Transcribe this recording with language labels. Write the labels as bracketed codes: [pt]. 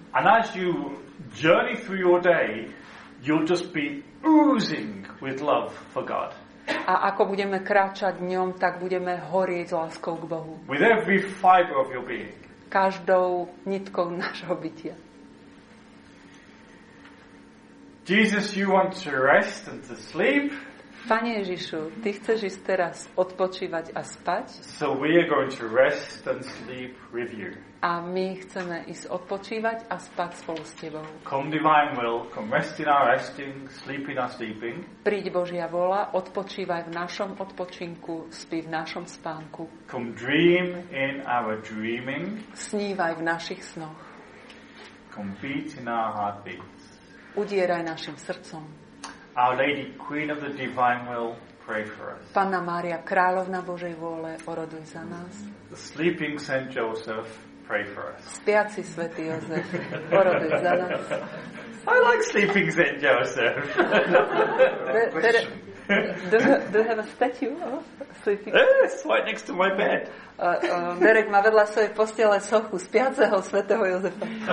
[en] And as you journey through your day, you'll just be oozing with love for God. [sk] A ako budeme kráčať dňom, tak budeme horieť láskou k Bohu. [en] With every fiber of your being. [sk] Každou nitkou nášho bytia. [en] Jesus, you want to rest and to sleep. [sk] Pane Ježišu, ty chceš ísť teraz odpočívať a spať. [en] So we are going to rest and sleep with you. [sk] A my chceme ísť odpočívať a spať spolu s tebou. [en] Come divine will, come rest in our resting, sleep in our sleeping. [sk] Príď Božia vola, odpočívaj v našom odpočinku, spí v našom spánku. [en] Come dream in our dreaming. [sk] Snívaj v našich snoch. [en] Come beat in our heartbeats. [sk] Udieraj našim srdcom. [en] Our Lady, Queen of the Divine Will, pray for us. [sk] Panna Mária, Královna Božej vôle, oroduj za nás. [en] The sleeping Saint Joseph, pray for us. [sk] Spiaci svätý Jozef, oroduj za nás. [en] I like sleeping Saint Joseph. Do you have a statue of sleeping? Yes, right next to my bed. [sk] Derek má vedľa svojej postele sochu spiaceho svätého Jozefa.